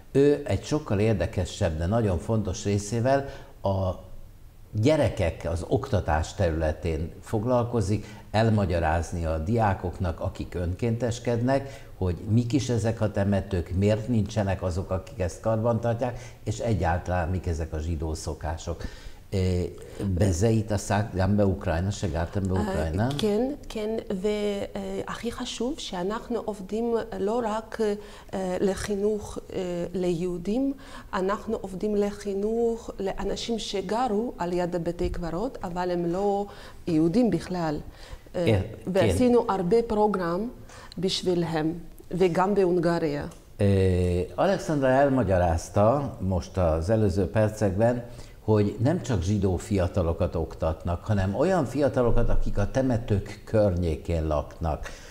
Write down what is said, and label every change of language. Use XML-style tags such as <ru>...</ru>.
<hu>Ő egy sokkal érdekesebb, de nagyon fontos részével a gyerekek, az oktatás területén foglalkozik, elmagyarázni a diákoknak, akik önkénteskednek, hogy mik is ezek a temetők, miért nincsenek azok, akik ezt karbantartják, és egyáltalán mik ezek a zsidó szokások.</hu> <he>בזה התעסקת גם באוקראינה, שגרתם באוקראינה? כן, כן, והכי חשוב שאנחנו עובדים לא רק לחינוך ליהודים, אנחנו עובדים לחינוך לאנשים שגרו על יד בתי קברות, אבל הם לא יהודים בכלל. ועשינו הרבה פרוגרם בשבילהם, וגם בהונגריה.</he> <hu>Alexandra elmagyarázta most az előző percekben, hogy nem csak zsidó fiatalokat oktatnak, hanem olyan fiatalokat, akik a temetők környékén laknak.</hu>